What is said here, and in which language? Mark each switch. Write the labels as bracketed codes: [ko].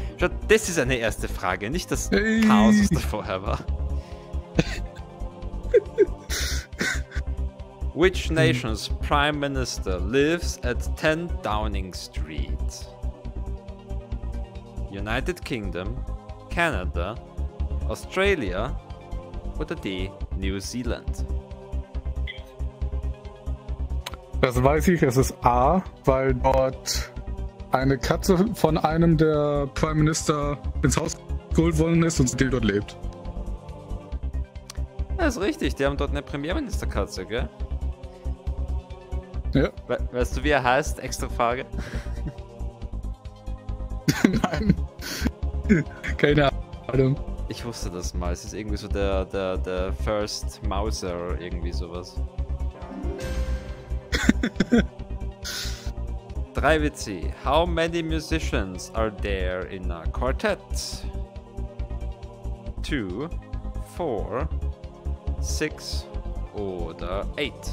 [de] Schau, das ist eine erste Frage, nicht das Chaos, was da vorher war. [en] Which nation's prime minister lives at 10 Downing Street? [de] United Kingdom, Canada, Australia oder D, New Zealand? Das weiß ich, es ist A, weil dort eine Katze von einem der Prime Minister ins Haus geholt worden ist und seitdem dort lebt. Das ist richtig, die haben dort eine Premierministerkatze, gell? Ja. Weißt du, wie er heißt? Extra Frage. Nein. Keine Ahnung. Ich wusste das mal. Es ist irgendwie so der First Mauser oder irgendwie sowas. 3WC. [en] How many musicians are there in a quartet? [de] 2, 4, 6 oder 8?